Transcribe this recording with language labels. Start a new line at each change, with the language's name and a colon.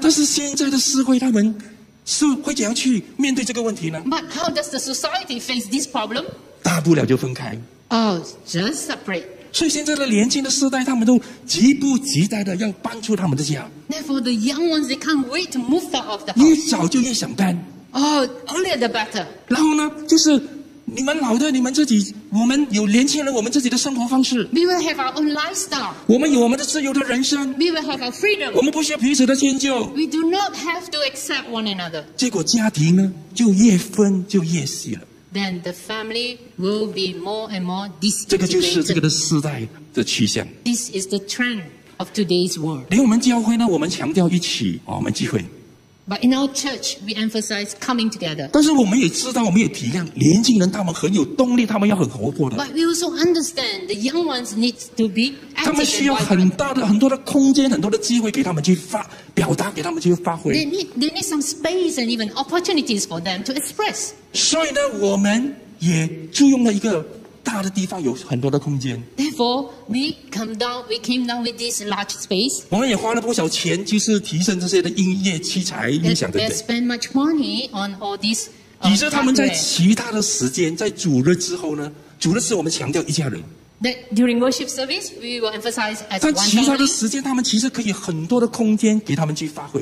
Chinese: 但是现在的社会，他们是会怎样去面对这个问题呢
English: ？But how does the society face this problem?
Chinese: 大不了就分开。
English: Oh, just separate.
Chinese: 所以现在的年轻的世代，他们都急不及待的要搬出他们的家。
English: Therefore, the young ones they can't wait to move out of the house.
Chinese: 越早就越想搬。
English: Oh, earlier the better.
Chinese: 然后呢，就是。你们老的，你们自己，我们有年轻人，我们自己的生活方式。
English: We will have our own lifestyle.
Chinese: 我们有我们的自由的人生。
English: We will have our freedom.
Chinese: 我们不需要彼此的迁就。
English: We do not have to accept one another.
Chinese: 结果家庭呢，就越分就越细了。
English: Then the family will be more and more disintegrated.
Chinese: 这个就是这个的时代的趋向。
English: This is the trend of today's world.
Chinese: 连我们教会呢，我们强调一起，我们聚会。
English: But in our church, we emphasize coming together.
Chinese: 但是我们也知道，我们也体谅年轻人，他们很有动力，他们要很活泼的。
English: But we also understand the young ones need to be active.
Chinese: 他们需要很大的、很多的空间，很多的机会给他们去发表达，给他们去发挥。
English: They need some space and even opportunities for them to express.
Chinese: 所以呢，我们也租用了一个大的地方，有很多的空间。
English: Therefore, we came down with this large space.
Chinese: 我们也花了不少钱，就是提升这些的音乐器材、音响等等。
English: They spend much money on all this.
Chinese: 以致他们在其他的时间，在主日之后呢，主日是我们强调一家人。
English: That during worship service, we will emphasize as one family.
Chinese: 但其他的时间，他们其实可以很多的空间给他们去发挥。